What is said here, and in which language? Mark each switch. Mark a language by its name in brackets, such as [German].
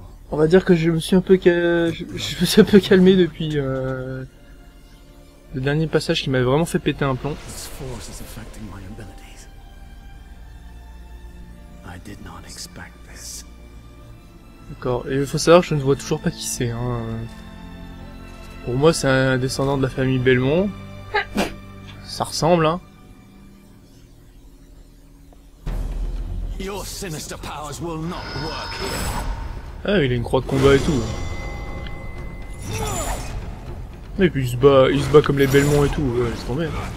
[French] On va dire que je me suis un peu calmé depuis... Le dernier passage qui m'avait vraiment fait péter un plomb. [English] This force is affecting my abilities. I did not expect this. [French] D'accord, et il faut savoir que je ne vois toujours pas qui c'est. Hein. Pour moi, c'est un descendant de la famille Belmont. Ça ressemble, hein. [English] Your sinister powers will not work here. [French] Ah, il a une croix de combat et tout. Et puis il se bat comme les Belmont et tout, ouais, c'est trop bien.